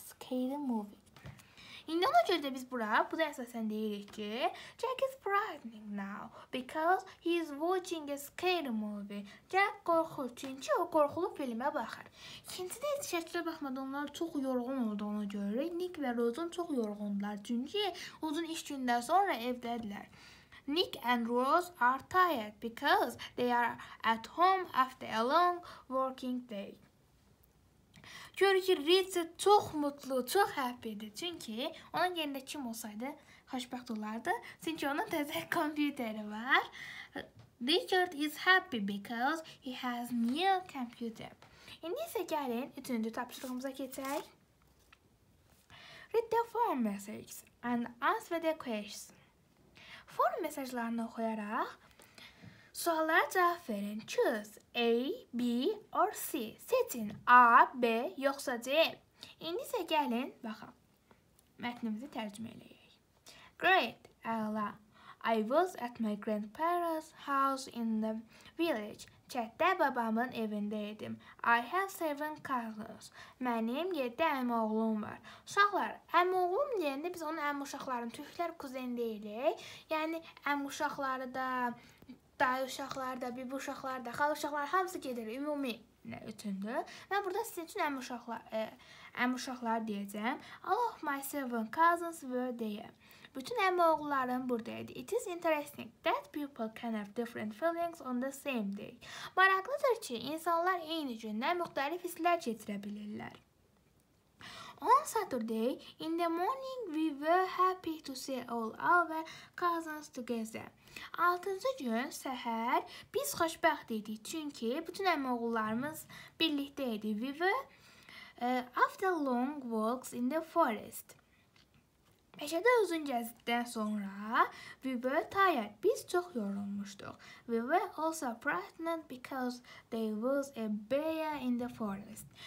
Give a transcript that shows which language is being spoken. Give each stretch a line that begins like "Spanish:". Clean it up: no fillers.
English: Scary movie.
Azerbaijani: İndi ona görə də biz bura, bu da əsasən deyirik ki,
English: Jack is frightening now because he is watching a scary movie.
Azerbaijani: Jack qorxur, çünki o qorxulu filmə baxır. İkinci də heç şəklə baxmadan onlar çox yorğun olduğunu görürük. Nick və Rose çox yorğundular, çünki uzun iş gündən sonra evdədirlər.
English: Nick and Rose are tired because they are at home after a long working day.
Azerbaijani: Görür ki, Richard çox mutlu, çox happy-dir. Çünki onun yerində kim olsaydı, xoşbəxt olardı. Çünki onun təzə kompüteri var.
English: Richard is happy because he has new computer.
Azerbaijani: İndi isə gəlin, üçüncü tapşırığımıza keçək.
English: Read the form messages and answer the questions.
Azerbaijani: Form mesajlarını oxuyaraq, suallara cavab verin.
English: Choose A, B or C.
Azerbaijani: Seçin A, B yoxsa C. İndi isə gəlin, baxaq. Mətnimizi tərcümə eləyək.
English: Great, Ella. I was at my grandparents' house in the village.
Azerbaijani: Çətdə babamın evində idim.
English: I have 7 cousins.
Azerbaijani: Mənim 7 əmioğlum var. Uşaqlar, əmioğlum deyəndə biz onun əmioğlarının türklər kuzeni deyilik. Yəni, əmioğları da dayı uşaqlar da, bibi uşaqlar da, xal uşaqlar hamısı gedir, ümumi ütündür. Mən burada sizin üçün əmioğlar deyəcəm.
English: All of my 7 cousins were there.
Azerbaijani: Bütün əmioğlarım burada idi.
English: It is interesting that people can have different feelings on the same day.
Azerbaijani: Maraqlıdır ki, insanlar eyni gündə müxtəlif hisslər keçirə bilirlər.
English: On Saturday, in the morning, we were happy to see all our cousins together.
Azerbaijani: 6-cı gün səhər biz xoşbəxt idik, çünki bütün əmioğullarımız birlikdə idi.
English: We were after long walks in the forest.
Azerbaijani: Meşədə uzun gəzintidən sonra
English: we were tired.
Azerbaijani: Biz çox yorulmuşduq.
English: We were also frightened because there was a bear in the forest.